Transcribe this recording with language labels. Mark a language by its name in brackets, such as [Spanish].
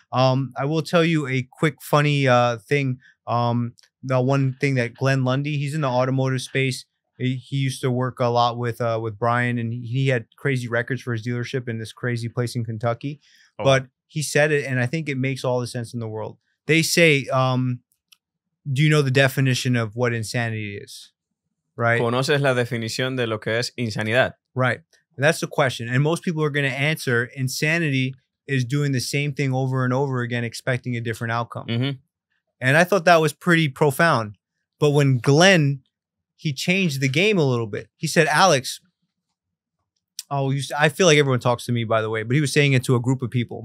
[English] I will tell you a quick, funny thing. The one thing that Glenn Lundy, he's in the automotive space. He used to work a lot with Brian, and he had crazy records for his dealership in this crazy place in Kentucky. Oh. But he said it, and I think it makes all the sense in the world. They say, do you know the definition of what insanity is? Right. [Spanish] ¿Conoces la definición de lo que es insanidad? [English] Right. That's the question. And most people are going to answer, insanity is doing the same thing over and over again, expecting a different outcome. Mm-hmm. And I thought that was pretty profound. But when Glenn, he changed the game a little bit. He said, Alex, I feel like everyone talks to me, by the way, but he was saying it to a group of people.